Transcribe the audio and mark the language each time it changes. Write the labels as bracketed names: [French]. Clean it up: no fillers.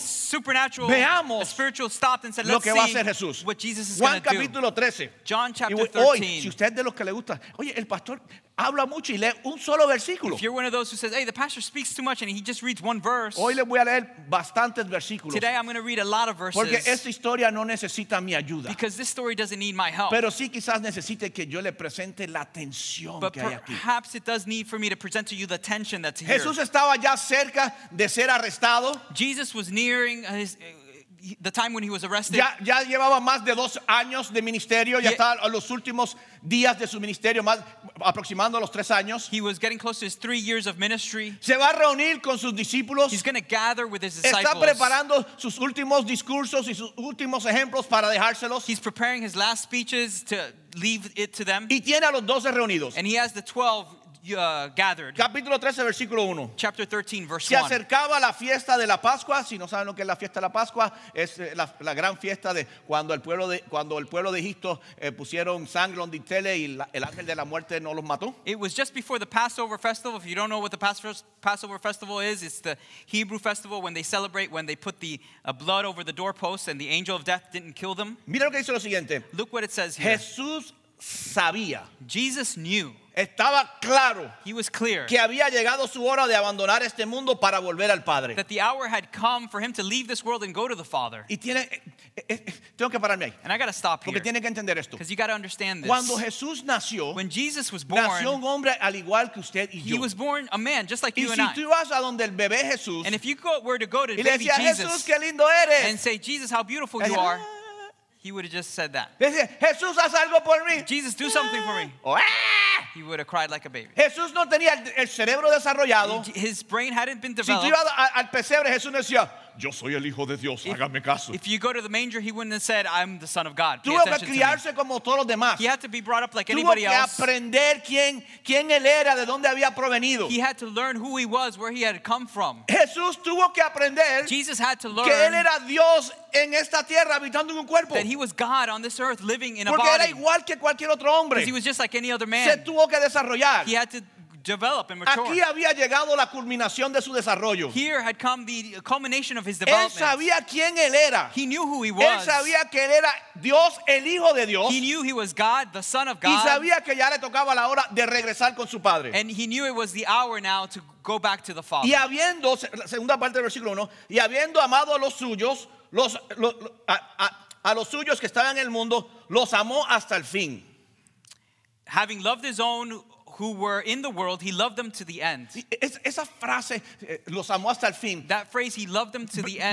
[English] supernatural, [Spanish] veamos [English] the spiritual stopped and said, let's [Spanish] lo que va a hacer Jesús. [English] What Jesus is [Spanish] Juan capítulo 13. [English] John chapter 13. [Spanish] Hoy, si usted de los que le gusta, oye, el pastor habla mucho y lee un solo versículo. [English] If you're one of those who says, hey, the pastor speaks too much and he just reads one verse. [Spanish] Hoy le voy a leer bastantes versículos. [English] Today I'm going to read a lot of verses. [Spanish] Porque esta historia no necesita mi ayuda. [English] Because this story doesn't need my help. [Spanish] Pero sí quizás necesite que yo le presente la tensión [English] but [Spanish] que hay aquí. [English] Perhaps it does need for me to present to you the tension that's here. [Spanish] Jesús estaba ya cerca de ser arrestado. [English] Jesus was nearing his the time when he was arrested. [Spanish] Ya llevaba más de 2 años de ministerio. Ya estaba a los últimos días de su ministerio, más aproximando a los 3 años. [English] He was getting close to his 3 years of ministry. [Spanish] Se va a reunir con sus discípulos. [English] He's going to gather with his disciples. [Spanish] Está preparando sus últimos discursos y sus últimos ejemplos para dejárselos. [English] He's preparing his last speeches to leave it to them. [Spanish] Y tiene a los 12 reunidos. [English] And he has the 12 gathered. [Spanish] Capítulo 13, versículo 1. [English] Chapter 13, verse 1. [Spanish] Se acercaba la fiesta de la Pascua. Si no saben lo que es la fiesta de la Pascua, es la gran fiesta de cuando el pueblo de Egipto pusieron sangre en dintel y el ángel de la muerte no los mató. [English] It was just before the Passover festival. If you don't know what the Passover festival is, it's the Hebrew festival when they celebrate when they put the blood over the doorposts and the angel of death didn't kill them. [Spanish] Mira lo que dice lo siguiente. [English] Look what it says here. [Spanish] Jesús sabía. [English] Jesus knew. [Spanish] Estaba claro [English] he was clear [Spanish] que había llegado su hora de abandonar este mundo para volver al Padre. [English] That the hour had come for him to leave this world and go to the Father. [Spanish] Y tiene, tengo que pararme ahí. [English] And I got to stop here. [Spanish] Porque tiene que entender esto. [English] Because you got to understand this. [Spanish] Cuando Jesús nació, [English] when Jesus was born, [Spanish] nació un hombre al igual que usted y yo. [English] He was born a man just like [Spanish] y [English] you [Spanish] si [English] and I. [Spanish] Y si tú vas a donde el bebé Jesús, [English] and if you go, were to go to [Spanish] y [English] baby [Spanish] le decía, [English] Jesus, [Spanish] Jesús, qué lindo eres, [English] and say, Jesus, how beautiful you are, he would have just said that. [Spanish] Jesús, haz algo por mí. [English] Jesus, do something for me. He would have cried like a baby. [Spanish] Jesús no tenía el cerebro desarrollado. [English] His brain hadn't been developed. [Spanish] Si tú ibas al pesebre, Jesús decía, yo soy el hijo de Dios, hágame caso. [English] If you go to the manger, he wouldn't have said, I'm the son of God. [Spanish] Tuvo que criarse como todos los demás. [English] He had to be brought up like anybody else. [Spanish] Tuvo que aprender quién él era, de dónde había provenido. [English] He had to learn who he was, where he had come from. [Spanish] Jesús tuvo que aprender. [English] Jesus had to learn [Spanish] que él era Dios en esta tierra habitando en un cuerpo. [English] That he was God on this earth living in a [Spanish] Porque [English] body. [Spanish] Porque era igual que cualquier otro hombre. [English] Because he was just like any other man. [Spanish] Se tuvo que desarrollar. [English] He had to develop and mature. [Spanish] Aquí había llegado la culminación de su desarrollo. [English] Here had come the culmination of his development. [Spanish] Él sabía quién él era. [English] He knew who he was. [Spanish] Él sabía que él era Dios, el Hijo de Dios. [English] He knew he was God, the Son of God. [Spanish] Y sabía que ya le tocaba la hora de regresar con su padre. [English] And he knew it was the hour now to go back to the Father. [Spanish] Y habiendo, segunda parte del versículo 1, y habiendo amado a los suyos, a los suyos que estaban en el mundo, los amó hasta el fin. [English] Having loved his own who were in the world, he loved them to the end. [Spanish] Esa frase, los amó hasta el fin. [English] That phrase, he loved them to the end.